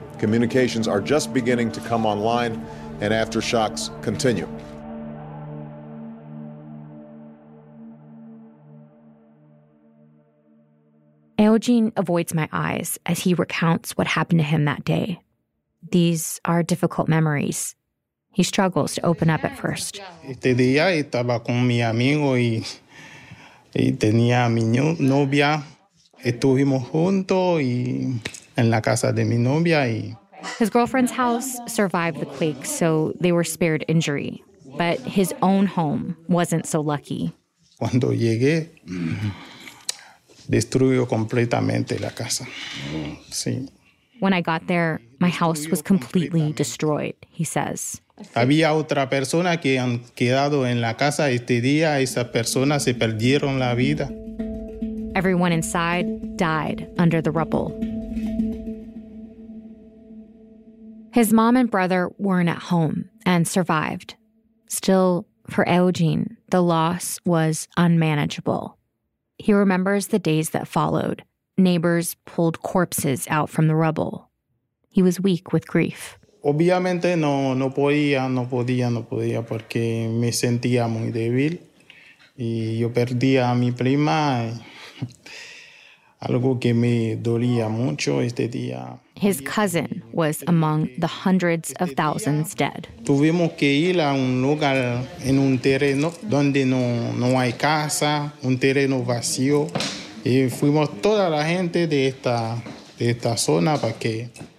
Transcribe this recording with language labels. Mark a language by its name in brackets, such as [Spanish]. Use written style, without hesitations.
[English] Communications are just beginning to come online, and aftershocks continue. Eugene avoids my eyes as he recounts what happened to him that day. These are difficult memories. He struggles to open up at first. [Spanish] Este día estaba con mi amigo y tenía mi novia. Estuvimos juntos y en la casa de mi novia y [English] his girlfriend's house survived the quake, so they were spared injury. But his own home wasn't so lucky. [Spanish] Cuando llegué, destruyó completamente la casa. Sí. [English] When I got there, my house was completely destroyed, he says. [Spanish] Había otra persona que han quedado en la casa este día. Esa persona se perdieron la vida. [English] Everyone inside died under the rubble. His mom and brother weren't at home and survived. Still, for Eugene, the loss was unmanageable. He remembers the days that followed. Neighbors pulled corpses out from the rubble. He was weak with grief. [Spanish] Obviamente no podía, porque me sentía muy débil. Y yo perdí a mi prima. Algo que me dolía mucho este día. [English] His cousin was among the hundreds of thousands dead. [Spanish] Tuvimos que ir a un lugar en un terreno donde no hay casa, un terreno vacío. Y fuimos toda la gente de esta zona para que